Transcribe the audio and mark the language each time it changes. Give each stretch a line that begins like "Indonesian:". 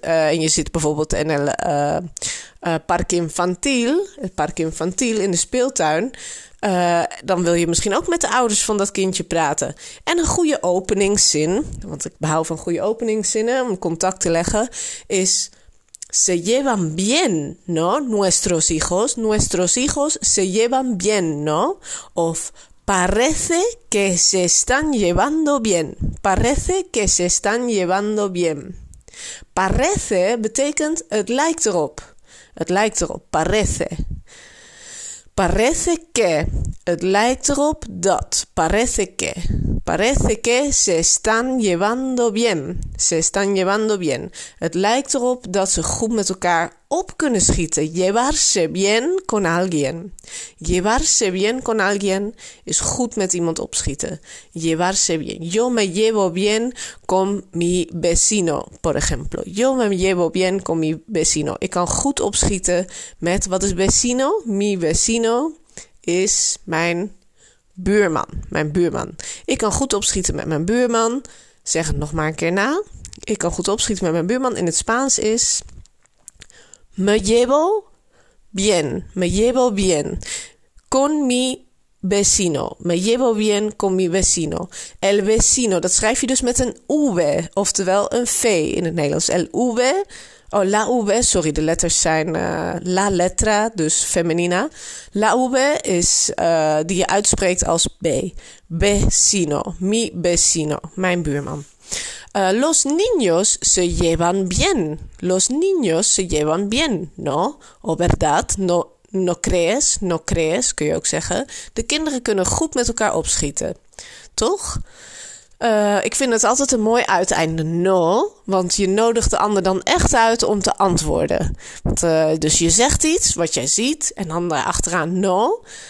Dutch: En je zit bijvoorbeeld in het
Spanish: parque infantil
Dutch: in de speeltuin. Dan wil je misschien ook met de ouders van dat kindje praten. En een goede openingszin, want ik hou van goede openingszinnen om contact te leggen, is:
Spanish: se llevan bien, ¿no? Nuestros hijos se llevan bien, ¿no? Of parece que se están llevando bien. Parece que se están llevando bien.
Dutch: Parece betekent het lijkt erop. Het lijkt erop, parece.
Spanish: Parece que,
Dutch: het lijkt erop dat,
Spanish: parece que. Parece que se están llevando bien. Se están llevando bien.
Dutch: Het lijkt erop dat ze goed met elkaar op kunnen schieten.
Spanish: Llevarse bien con alguien. Llevarse bien con alguien
Dutch: is goed met iemand opschieten.
Spanish: Llevarse bien. Yo me llevo bien con mi vecino, por ejemplo. Yo me llevo bien con mi vecino.
Dutch: Ik kan goed opschieten met, wat is vecino?
Spanish: Mi vecino
Dutch: is mijn buurman, mijn buurman. Ik kan goed opschieten met mijn buurman. Zeg het nog maar een keer na. Ik kan goed opschieten met mijn buurman. In het Spaans is
Spanish: me llevo bien. Me llevo bien con mi vecino. Me llevo bien con mi vecino. El vecino,
Dutch: dat schrijf je dus met een V, oftewel een V in het Nederlands. El V, oh, la V, sorry, de letters zijn
Spanish: la letra,
Dutch: dus feminina. La V is die je uitspreekt als B.
Spanish: Vecino, mi vecino,
Dutch: mijn buurman.
Spanish: Los niños se llevan bien. Los niños se llevan bien, ¿no? O verdad, no crees,
Dutch: kun je ook zeggen. De kinderen kunnen goed met elkaar opschieten, toch? Ik vind het altijd een mooi uiteinde, no, want je nodigt de ander dan echt uit om te antwoorden. Dus je zegt iets wat jij ziet en dan achteraan no.